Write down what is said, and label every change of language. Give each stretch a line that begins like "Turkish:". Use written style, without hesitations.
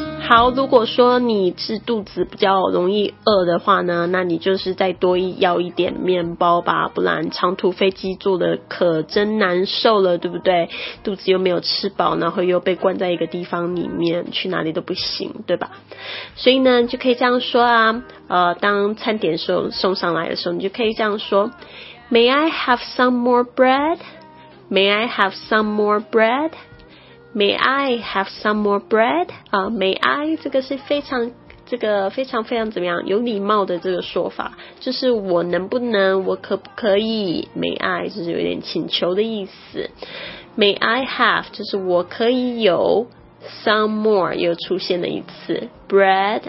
Chinese: 好，如果说你是肚子比较容易饿的话呢，那你就是再多要一点面包吧，不然长途飞机坐的可真难受了，对不对？肚子又没有吃饱，然后又被关在一个地方里面，去哪里都不行，对吧？所以呢，就可以这样说啊，当餐点送上来的时候，你就可以这样说
English: May I have some more bread? May I have some more bread? May I have some more bread?
Chinese: May I 这个是非常怎么样有礼貌的这个说法，就是我能不能，我可不可以 ？May I 就是有点请求的意思。 May I have 就是我可以有 some more 又出现了一次 bread。